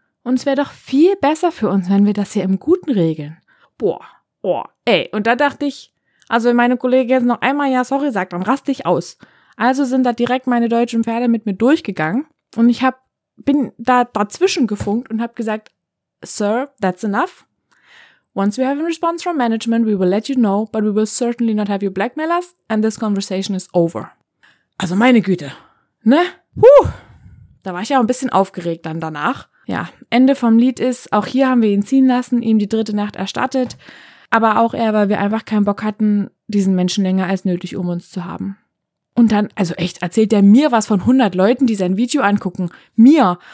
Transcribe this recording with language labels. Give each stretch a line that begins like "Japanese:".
German: Und es wäre doch viel besser für uns, wenn wir das hier im Guten regeln. Boah, ey. Und da dachte ich, also wenn meine Kollegin jetzt noch einmal ja sorry sagt, dann raste ich aus. Also sind da direkt meine deutschen Pferde mit mir durchgegangen. Und ich bin da dazwischen gefunkt und habe gesagt,
English: Sir, that's enough. Once we have a response from management, we will let you know, but we will certainly not have you blackmail us and this conversation is over.
German: Also meine Güte, ne? Puh, da war ich ja auch ein bisschen aufgeregt dann danach. Ja, Ende vom Lied ist, auch hier haben wir ihn ziehen lassen, ihm die 3. Nacht erstattet, aber auch eher, weil wir einfach keinen Bock hatten, diesen Menschen länger als nötig um uns zu haben. Und dann, also echt, erzählt der mir was von 100 Leuten, die sein Video angucken. Mir.